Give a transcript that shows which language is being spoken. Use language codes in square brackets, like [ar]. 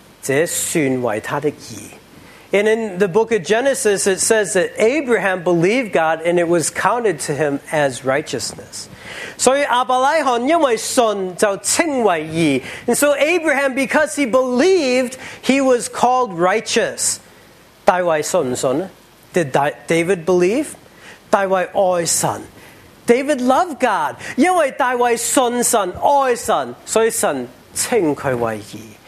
[zh] 创世纪告诉我们,亚伯拉罕因信耶稣,因信耶和华,这算为他的义. [en] And in the book of Genesis, it says that Abraham believed God and it was counted to him as righteousness. [zh] 所以亚伯拉罕因为信就称为义. [en] And so Abraham, because he believed, he was called righteous. [zh] 大卫信不信? [en] Did David believe? [zh] 大卫爱神. [en] David loved God. [zh] 因为大卫信神爱神, 所以神称他为义.